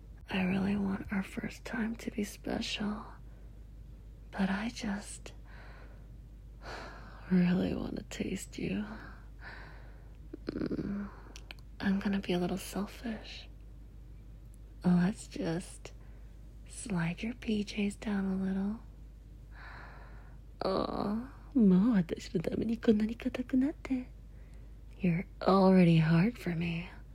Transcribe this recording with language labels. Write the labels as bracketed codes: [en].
[en] I really want our first time to be special, but I just really want to taste you. I'm gonna be a little selfish. Let's just slide your PJs down a little. [ja] Oh, もう私のためにこんなに硬くなって。 [en] You're already hard for me.